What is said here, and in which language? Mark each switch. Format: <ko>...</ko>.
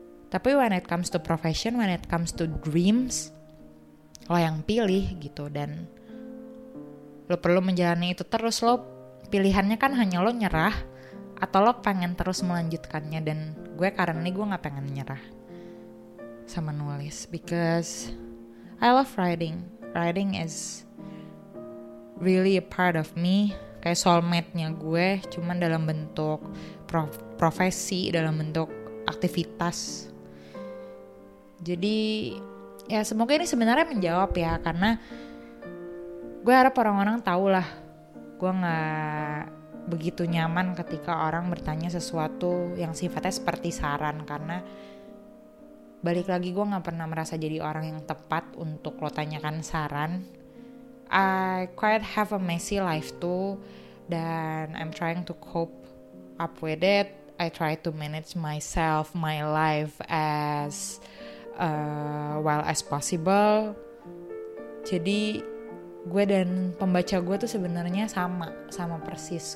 <en>Tapi when it comes to profession, when it comes to dreams,</en> <id>lo yang pilih gitu. Dan lo perlu menjalani itu terus. Lo pilihannya kan hanya lo nyerah atau lo pengen terus melanjutkannya. Dan gue karena ini gue gak pengen nyerah sama nulis.</id> <en>Because I love writing. Writing is really a part of me.</en> <id>kayak soulmate-nya gue, cuman dalam bentuk profesi, dalam bentuk aktivitas. Jadi ya semoga ini sebenarnya menjawab ya, karena gue harap orang-orang tahu lah gue gak begitu nyaman ketika orang bertanya sesuatu yang sifatnya seperti saran, karena balik lagi gue gak pernah merasa jadi orang yang tepat untuk lo tanyakan saran.</id> <en>I quite have a messy life too, dan I'm trying to cope up with it. I try to manage myself, my life as well as possible.</en> <id>Jadi gue dan pembaca gue tuh sebenarnya sama persis.</id>